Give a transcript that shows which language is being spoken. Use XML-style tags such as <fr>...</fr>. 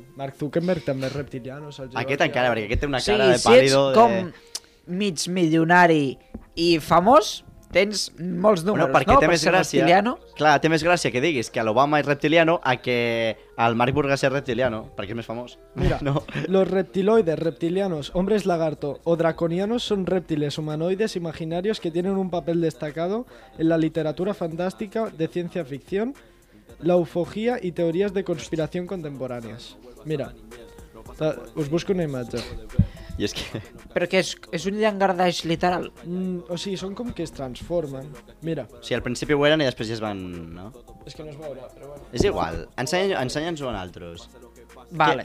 <ca>Mark Zuckerberg també és reptiliano. Aquest encara, perquè aquest té una cara, sí, de pàl·lido. Si ets com mig milionari i famós, tens molts números, bueno, perquè no? Té més gràcia. Clar, té més gràcia que diguis que l'Obama és reptiliano a que el Marc Burgas és reptiliano, perquè és més famós. Mira, no.</ca> <es>Los reptiloides, reptilianos, hombres lagarto o draconianos son reptiles humanoides imaginarios que tienen un papel destacado en la literatura fantástica de ciencia ficción, la ufología y teorías de conspiración contemporáneas.</es> <ca>Mira,</ca> <es>os busco</es> <ca>una imatge. I és que... Però que és un llangardaix literal. O sigui, són com que es transformen. Mira. O sigui, al principi ho eren i després ja es van... No? És que no es veurà, però bueno. És igual. Ensenya'ns-ho a nosaltres. Vale.</ca>